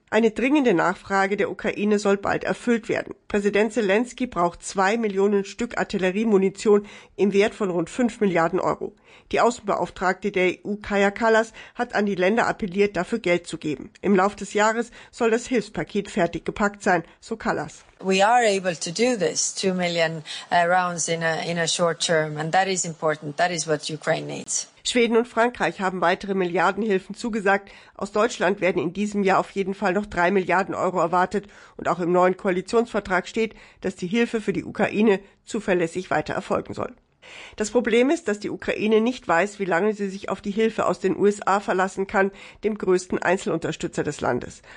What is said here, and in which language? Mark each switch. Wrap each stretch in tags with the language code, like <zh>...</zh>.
<de>Eine dringende Nachfrage der Ukraine soll bald erfüllt werden. Präsident Zelensky braucht 2 Millionen Stück Artilleriemunition im Wert von rund 5 Milliarden Euro. Die Außenbeauftragte der EU, Kaja Kallas, hat an die Länder appelliert, dafür Geld zu geben. Im Lauf des Jahres soll das Hilfspaket fertig gepackt sein, so Kallas.</de> <en>We are able to do this, 2 million rounds in a short term, and that is important. That is what Ukraine needs.</en> <de>Schweden und Frankreich haben weitere Milliardenhilfen zugesagt. Aus Deutschland werden in diesem Jahr auf jeden Fall noch 3 Milliarden Euro erwartet. Und auch im neuen Koalitionsvertrag steht, dass die Hilfe für die Ukraine zuverlässig weiter erfolgen soll. Das Problem ist, dass die Ukraine nicht weiß, wie lange sie sich auf die Hilfe aus den USA verlassen kann, dem größten Einzelunterstützer des Landes.</de>